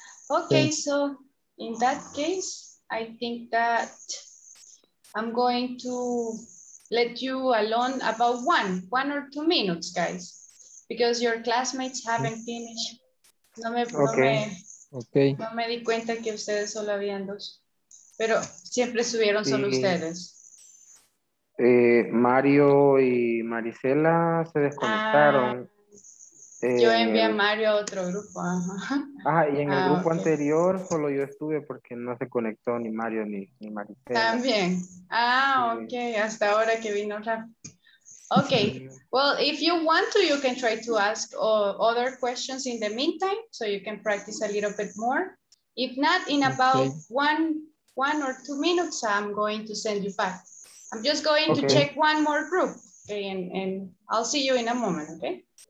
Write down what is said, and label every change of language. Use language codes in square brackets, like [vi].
[en] Okay, so in that case, I think that I'm going to let you alone about one or two minutes, guys. Because your classmates haven't finished. [es] No me di cuenta que ustedes solo habían dos. Pero siempre subieron solo ustedes. Mario y Marisela se desconectaron. Yo envié a Mario a otro grupo. Y en el grupo anterior solo yo estuve porque no se conectó ni Mario ni Marisela. También. Hasta ahora que vino Rafa. [en] Okay, well, if you want to, you can try to ask other questions in the meantime, so you can practice a little bit more. If not, in about one or 2 minutes, I'm going to send you back. I'm just going to check one more group, and I'll see you in a moment, okay?